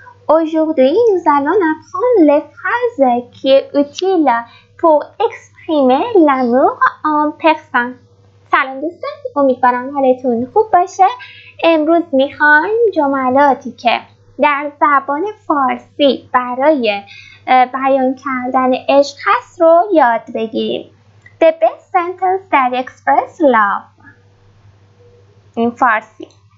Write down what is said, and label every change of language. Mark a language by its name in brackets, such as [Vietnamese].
[French] Aujourd'hui, nous allons apprendre les phrases qui sont utiles pour exprimer l'amour en persan. [Persian] سلام دوستان، امیدوارم حالتون خوب باشه. امروز میخوایم جملاتی که در زبان فارسی برای بیان کردن عشق هست رو یاد بگیریم. [English] The best sentence that expresses love in Farsi.